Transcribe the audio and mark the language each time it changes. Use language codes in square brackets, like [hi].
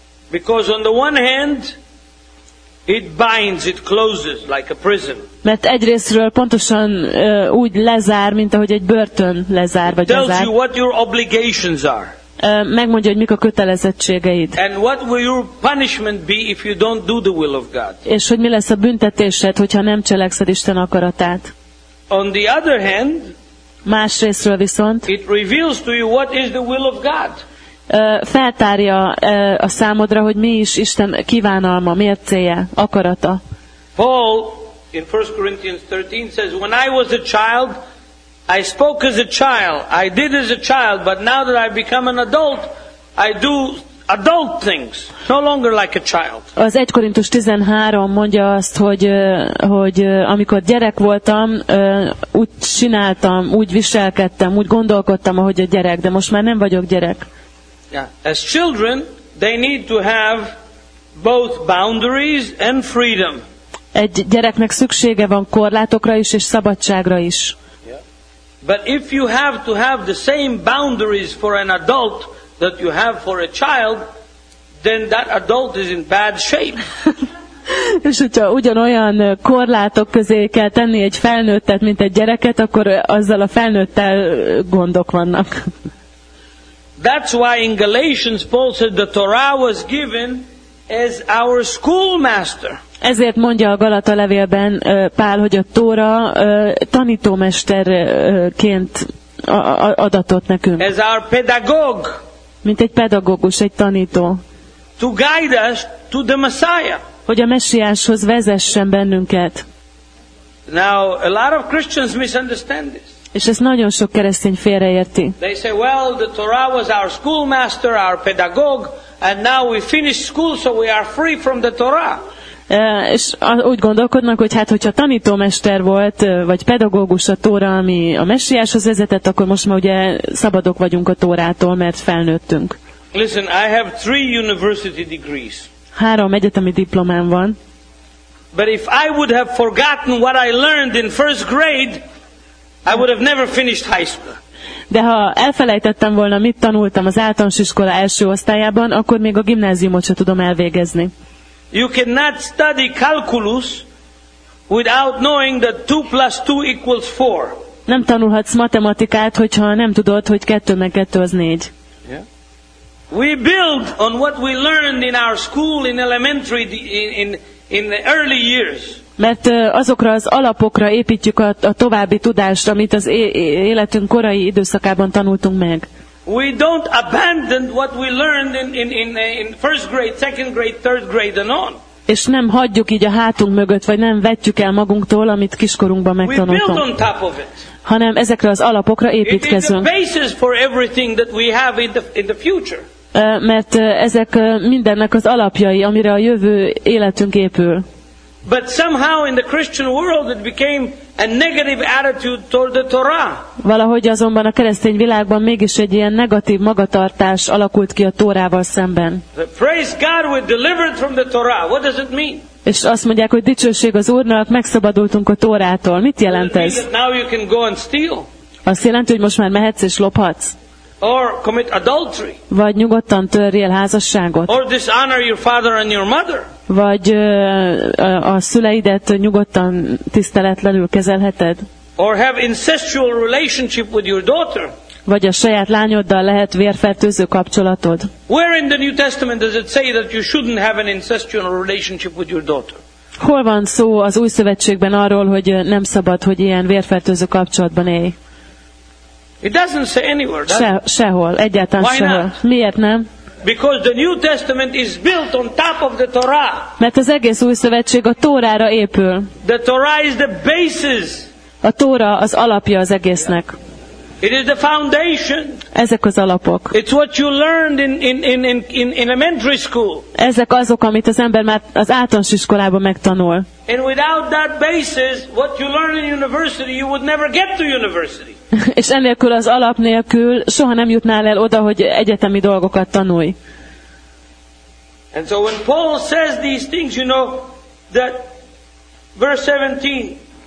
[en] Because on the one hand, it binds, it closes like a prison. [hu] Mert egyrészről pontosan úgy lezár, mint ahogy egy börtön lezár vagy [en] tells [hu] lezár. [en] You what your obligations are. [hu] Megmondja, hogy mik a kötelezettségeid. [en] And what will your punishment be if you don't do the will of God? [hu] És hogy mi lesz a büntetésed, hogyha nem cselekszed Isten akaratát? [en] On the other hand, [hu] másrészről viszont, [en] it reveals to you what is the will of God. [hu] Feltárja a számodra, hogy mi is Isten kívánalma, miért célja, akarata. [en] Paul in 1 Corinthians 13 says, when I was a child, I spoke as a child, I did as a child, but now that I've become an adult, I do adult things, no longer like a child. [hu] Az 1 Korintus 13 mondja azt, hogy amikor gyerek voltam, úgy csináltam, úgy viselkedtem, úgy gondolkodtam, ahogy a gyerek, de most már nem vagyok gyerek. [en] Yeah. As children, they need to have both boundaries and freedom. [hu] Egy gyereknek szüksége van korlátokra is és szabadságra is. [en] But if you have to have the same boundaries for an adult that you have for a child, then that adult is in bad shape. [hu] És hogyha ugyanolyan korlátok közé kell tenni egy felnőttet, mint egy gyereket, akkor azzal a felnőttel gondok vannak. [en] That's why in Galatians Paul said the Torah was given as our schoolmaster. [hu] Ezért mondja a Galata levélben Pál, hogy a Tóra tanítómesterként adatott nekünk. [en] As our pedagog. [hu] Mint egy pedagógus, egy tanító. [en] To guide us to the Messiah. [hu] Hogy a Messiáshoz vezessen bennünket. [en] Now, a lot of Christians misunderstand this. [hu] És ezt nagyon sok keresztény félreérti. [en] They say, well, the Torah was our schoolmaster, our pedagog, and now we finished school, so we are free from the Torah. [hu] És úgy gondolkodnak, hogy hát, hogyha tanítómester volt, vagy pedagógus a Tóra, ami a Messiáshoz vezetett, akkor most már ugye szabadok vagyunk a Tórától, mert felnőttünk. [en] Listen, I have three university degrees. [hu] Három egyetemi diplomám van. [en] But if I would have forgotten what I learned in first grade, I would have never finished high school. [hu] De ha elfelejtettem volna, mit tanultam az általános iskola első osztályában, akkor még a gimnáziumot sem tudom elvégezni. [en] You cannot study calculus without knowing that 2 plus 2 equals 4. [hu] Nem tanulhatsz matematikát, hogyha nem tudod, hogy 2 meg 2 az 4. [en] We build on what we learned in our school in elementary in the early years. [hu] Mert azokra az alapokra építjük a további tudást, amit az életünk korai időszakában tanultunk meg. [en] We don't abandon what we learned in first grade, second grade, third grade and on. [hu] És nem hagyjuk így a hátunk mögött, vagy nem vetjük el magunktól, amit kiskorunkban megtanultunk. [en] We build on top of it. [hu] Hanem ezekre az alapokra építkezünk. [en] It is the basis for everything that we have in the future. [hu] Mert ezek mindennek az alapjai, amire a jövő életünk épül. [en] But somehow in the Christian world it became a negative attitude toward the Torah. [hu] Valahogy azonban a keresztény világban mégis egy ilyen negatív magatartás alakult ki a Tórával szemben. [en] Praise God, we're delivered from the Torah. What does it mean? [hu] És azt mondják, hogy dicsőség az Úrnak, megszabadultunk a Tórától. Mit jelent ez? [en] Now you can go and steal. [hu] Azt jelenti, hogy most már mehetsz és lophatsz. [en] Or commit adultery. [hu] Vagy nyugodtan törjél házasságot. [en] Or dishonor your father and your mother. [hu] Vagy a szüleidet nyugodtan tiszteletlenül kezelheted. [en] Or have incestual relationship with your daughter. [hu] Vagy a saját lányoddal lehet vérfertőző kapcsolatod. [en] Where in the New Testament does it say that you shouldn't have an incestual relationship with your daughter? [hu] Hol van szó az Új Szövetségben arról, hogy nem szabad, hogy ilyen vérfertőző kapcsolatban élj? [en] It doesn't say anywhere. [hu] Sehol, egyáltalán sehol. Miért nem? [en] Because the New Testament is built on top of the Torah. [hu] Mert az egész Új Szövetség a Tórára épül. [en] The Torah is the basis. [hu] A Tóra az alapja az egésznek. [en] It is the foundation. [hu] Ezek az alapok. [en] It's what you learned in elementary school. [hu] Ezek azok, amit az ember már az általános iskolában megtanul. [en] And without that basis, what you learn in university, you would never get to university. [hu] És enélkül, az alap nélkül soha nem jutnál el oda, hogy egyetemi dolgokat tanulj. [en] And so when Paul says these things, you know that verse 17.